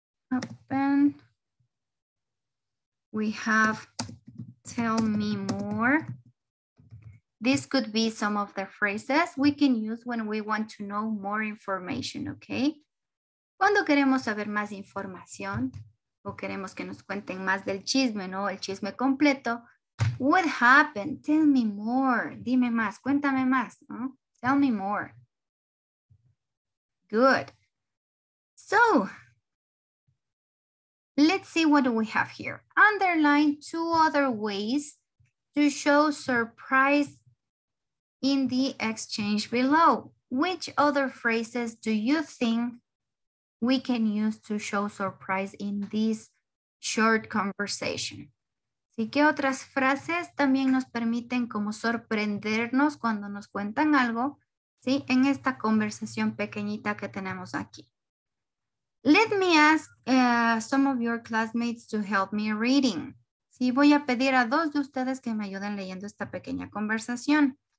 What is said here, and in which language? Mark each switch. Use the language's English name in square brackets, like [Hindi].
[English] Happened. We have tell me more. This could be some of the phrases we can use when we want to know more information, okay? [Spanish] Cuando queremos saber más información o queremos que nos cuenten más del chisme, ¿no? El chisme completo. [English] What happened? Tell me more. [Spanish] Dime más, cuéntame más, ¿no? [English] Tell me more. Good. So, let's see what we have here. Underline two other ways to show surprise in the exchange below. Which other phrases do you think we can use to show surprise in this short conversation? [Spanish] ¿Y qué otras frases también nos permiten como sorprendernos cuando nos cuentan algo, ¿sí? En esta conversación pequeñita que tenemos aquí. [English] Let me ask some of your classmates to help me reading. [Spanish] Sí, voy a pedir a dos de ustedes que me ayuden leyendo esta pequeña conversación.